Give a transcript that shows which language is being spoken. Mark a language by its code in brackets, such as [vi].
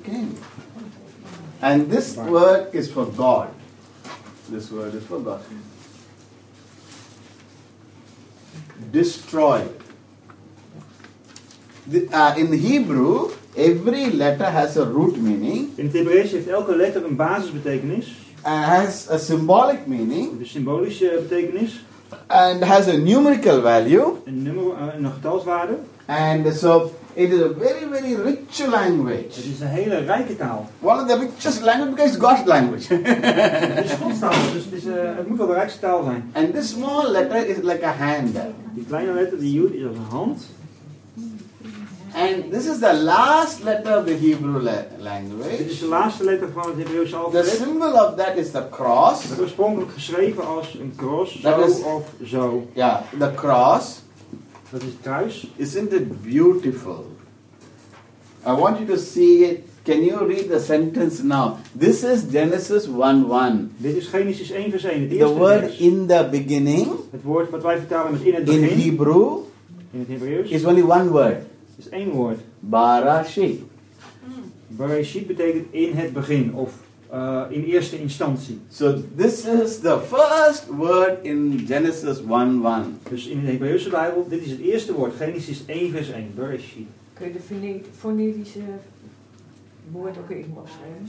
[en] Okay. And this word is for God. This word is for God. Destroy. In Hebrew, every letter has a root meaning. [nl] In het Hebreeuws heeft elke letter een basisbetekenis. [en] Has a symbolic meaning. [nl] De symbolische betekenis. [en] And has a numerical value. [nl] Een getalswaarde. [en] And so it is a very, very rich language. [nl] Het is een hele rijke taal. [en] One of the richest languages because it's God's language. [nl] Het is God's taal, dus het moet wel de rijkste taal zijn. [en] And this small letter is like a hand. [nl] Die kleine letter, die U, is als een hand. [en] And this is the last letter of the Hebrew language. [nl] Dit is de laatste letter van het Hebreeuwse alfabet. [en] The symbol of that is the cross. [nl] Het oorspronkelijk geschreven als een cross, that zo is, of zo. [en] Ja, yeah, the cross. [nl] Dat is het kruis. [en] Isn't it beautiful? I want you to see it. Can you read the sentence now? This is Genesis 1:1. [nl] Dit is Genesis 1 vers 1. [en] The word in the beginning. [nl] Het woord wat wij vertalen met in het begin. [en] In Hebrew. [nl] In het Hebreeuws. [en] Is only one word. [nl] Is één woord. [en] Barashit. [nl] Barashit betekent in het begin of in eerste instantie. [en] So this is the first word in Genesis 1:1. [nl] Dus in de Hebreeuwse Bijbel, dit is het eerste woord. Genesis 1 vers 1. Barashit. Kun je de fonetische woord ook even opschrijven?